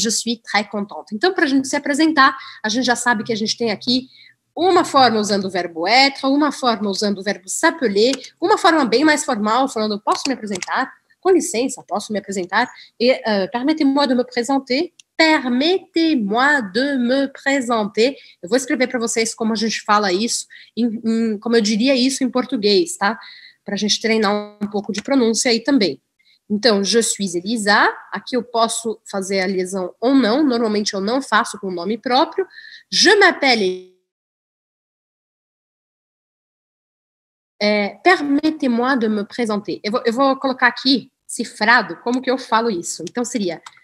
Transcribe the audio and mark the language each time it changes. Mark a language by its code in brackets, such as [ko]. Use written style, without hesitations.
[fr] Je suis très contente. [pt] Então, para a gente se apresentar, a gente já sabe que a gente tem aqui uma forma usando o verbo être, uma forma usando o verbo s'appeler, uma forma bem mais formal, falando posso me apresentar, com licença, posso me apresentar, e [fr] permettez-moi de me présenter. Permettez-moi de me présenter. [pt] Eu vou escrever para vocês como a gente fala isso, como eu diria isso em português, tá? Para a gente treinar um pouco de pronúncia aí também. Então, [fr] je suis Elisa. [pt] Aqui eu posso fazer a liaison ou não. Normalmente eu não faço com o nome próprio. [fr] Je m'appelle. Permettez-moi de me présenter. [pt] Eu vou colocar aqui cifrado como que eu falo isso. Então, seria.